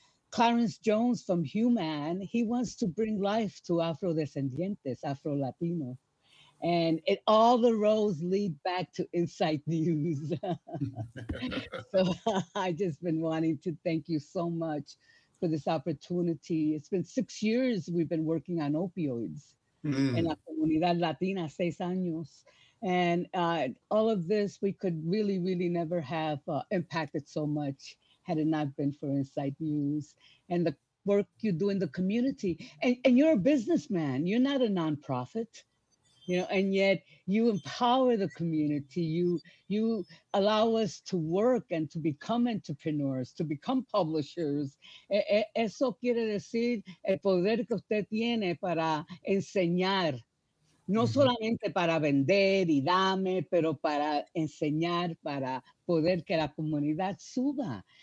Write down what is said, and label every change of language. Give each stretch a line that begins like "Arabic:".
English: Clarence Jones from Human, he wants to bring life to Afrodescendientes, Afro-Latino. And it all the roads lead back to Insight News. So I just been wanting to thank you so much for this opportunity. It's been 6 years we've been working on opioids.
Spanish: In la comunidad latina, 6 años.
English: And all of this, we could really, really never have impacted so much had it not been for Insight News and the work you do in the community. And you're a businessman. You're not a nonprofit, you know, and yet you empower the community. You allow us to work and to become entrepreneurs, to become publishers.
Spanish: Eso quiere decir el poder que usted tiene para enseñar, no solamente para vender y dame, pero para enseñar, para poder que la comunidad suba.